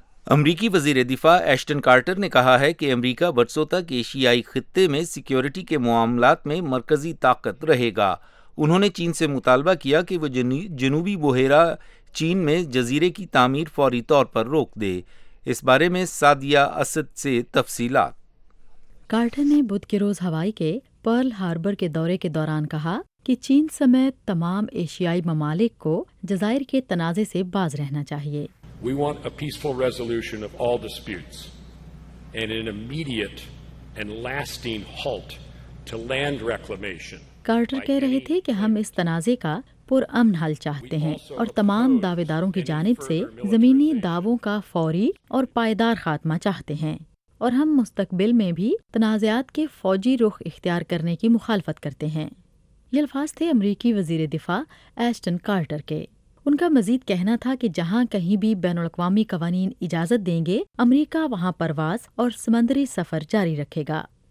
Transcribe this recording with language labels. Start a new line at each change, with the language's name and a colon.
Urdu: امریکی وزیر دفاع ایشٹن کارٹر نے کہا ہے کہ امریکہ برسوں تک ایشیائی خطے میں سیکیورٹی کے معاملات میں مرکزی طاقت رہے گا۔ انہوں نے چین سے مطالبہ کیا کہ وہ جنوبی بحیرہ چین میں جزیرے کی تعمیر فوری طور پر روک دے۔ اس بارے میں سعدیہ اسد سے تفصیلات۔ کارٹر نے بدھ کے روز ہوائی کے پرل ہاربر کے دورے کے دوران کہا کہ چین سمیت تمام ایشیائی ممالک کو جزائر کے تنازع سے باز رہنا چاہیے۔
English: We want a peaceful resolution of all disputes and an immediate and lasting halt to land reclamation۔
Urdu: Carter کہہ رہے تھے کہ ہم اس تنازع کا پرامن حل چاہتے ہیں اور تمام دعوے داروں کی جانب سے زمینی دعووں کا فوری اور پائیدار خاتمہ چاہتے ہیں، اور ہم مستقبل میں بھی تنازعات کے فوجی رخ اختیار کرنے کی مخالفت کرتے ہیں۔ یہ الفاظ تھے امریکی وزیر دفاع ایشٹن کارٹر کے۔ ان کا مزید کہنا تھا کہ جہاں کہیں بھی بین الاقوامی قوانین اجازت دیں گے امریکہ وہاں پرواز اور سمندری سفر جاری رکھے گا۔